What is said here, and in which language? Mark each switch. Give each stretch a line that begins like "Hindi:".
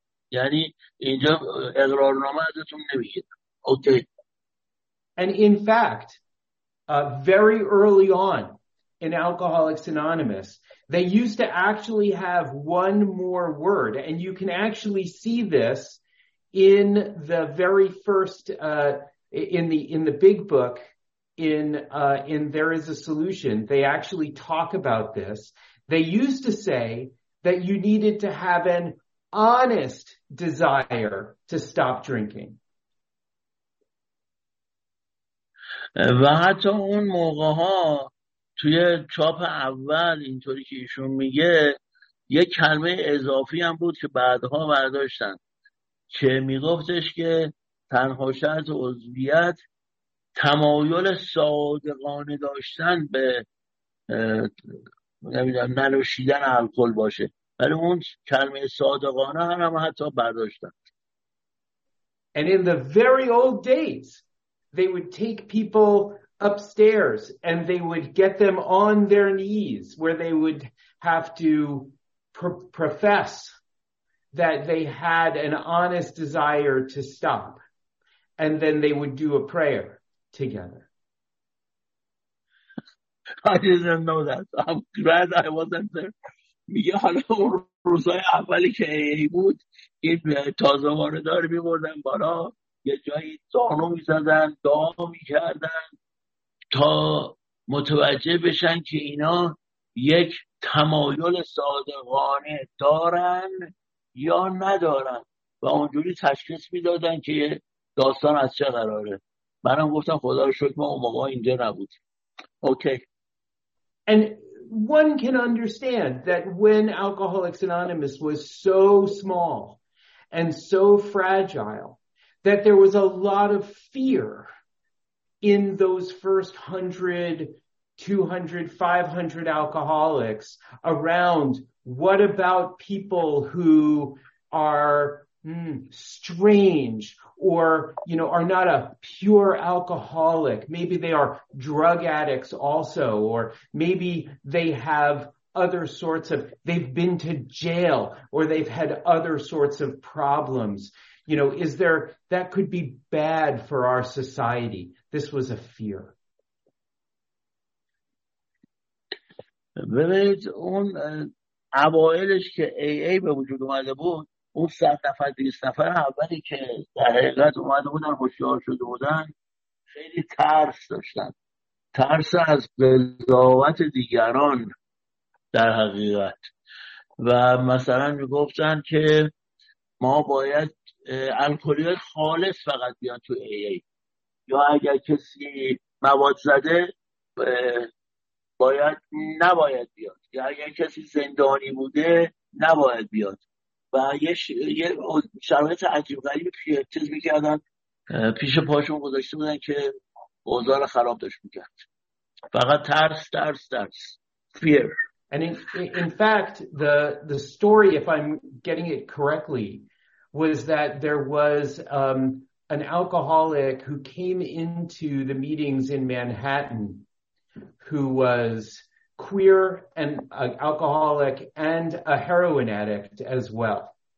Persian: یعنی اینجا اقرارنامه ازتون نمیگیرم.
English: Okay. And in fact, very early on in Alcoholics Anonymous, they used to actually have one more word, and you can actually see this in the very first in the big book in There Is a Solution. They actually talk about this. They used to say that you needed to have an honest desire to stop drinking.
Persian: و حتی اون موقع ها توی چاپ اول اینطوری که ایشون میگه یک کلمه اضافی هم بود که بعدها برداشتن که میگفتش که تنها شرط عضویت تمایل صادقانه داشتن به ننوشیدن الکل باشه، ولی اون کلمه صادقانه هم حتی برداشتن.
English: And in the very old days they would take people upstairs and they would get them on their knees where they would have to profess that they had an honest desire to stop. And then they would do a prayer together. I didn't know that. I'm glad I wasn't there.
Persian: میگه حالا اون روزای اولی که ای بود این تازه واردار میبردن بالا یه جایی زانو میزدن دعا میکردن تا متوجه بشن که اینا یک تمایل صادقانه دارن یا ندارن و اونجوری تشخیص میدادن که داستان از چه قراره. منم گفتم خدا رو شکر ما اون موقع اینجا نبود. اوکی.
English: And one can understand that when Alcoholics Anonymous was so small and so fragile that there was a lot of fear in those first 100, 200, 500 alcoholics around what about people who are strange or, you know, are not a pure alcoholic. Maybe they are drug addicts also, or maybe they have other sorts of, they've been to jail or they've had other sorts of problems. You know, is there, that could be bad for our society. This was a fear.
Persian: ببینید اون اوائلش که AA به وجود اومده بود، اون سفر اولی که در حقیقت اومده بودن هوشیار شده بودن، خیلی ترس داشتن، ترس از قضاوت دیگران در حقیقت، و مثلا میگفتن که ما باید الکلی خالص فقط بیان تو AA، یا اگر کسی مواد زده باید نباید بیاد، یا اگر کسی زندانی بوده نباید بیاد، و یه شرایط عجیب غریب پیشتز میکردن پیش پاشون گذاشته بودن که اوضاع رو خراب داشت میکرد. فقط ترس fear.
English: And in fact the story, if I'm getting it correctly, was that there was an alcoholic who came into the meetings in Manhattan who was queer and an alcoholic and a heroin addict as well.